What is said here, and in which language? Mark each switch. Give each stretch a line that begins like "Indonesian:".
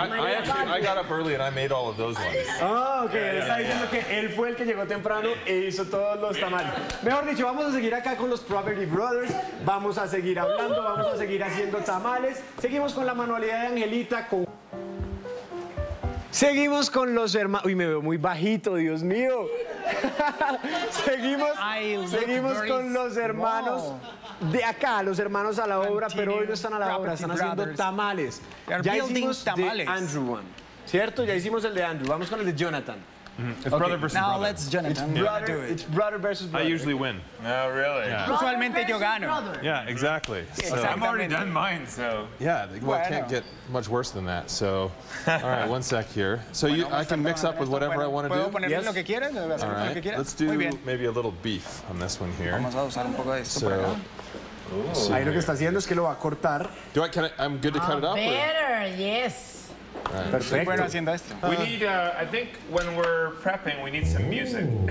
English: I got up early and I made all of those ones. Oh, okay.
Spanish: Yeah, está diciendo que él fue el que llegó temprano e hizo todos los tamales. Mejor dicho, vamos a seguir acá con los Property Brothers. Vamos a seguir hablando, vamos a seguir haciendo tamales. Seguimos con la manualidad de Angelita con. Seguimos con los hermanos. Uy, me veo muy bajito, Dios mío. Seguimos con los hermanos de acá, los hermanos a la obra, pero hoy no están a la obra, están haciendo tamales. Ya hicimos tamales. De Andrew one, ¿cierto? Ya hicimos el de Andrew. Vamos con el de Jonathan.
English: Mm-hmm. It's okay. Brother versus now brother. Now let's Jonathan. It's brother, yeah. It's brother versus brother. I usually win. No, really?
Spanish: Yeah. Usualmente yo gano.
English: Yeah, exactly. So. I've already done mine, so. Yeah, well, well, I can't get much worse than that, so. All right, one sec here. So you, I can mix up with whatever I want to do?
Spanish: Yes. Lo que quieran,
English: all right,
Spanish: lo que
English: let's do maybe a little beef on this one here.
Spanish: Vamos a usar un poco de esto por acá. Ooh, ahí lo que está haciendo es que lo va a cortar.
English: Do I, can I, I'm good to cut it up? Better, or? Yes. Right. Perfecto.
Spanish: Bueno, haciendo esto.
English: We need, I think when we're prepping, we need some music.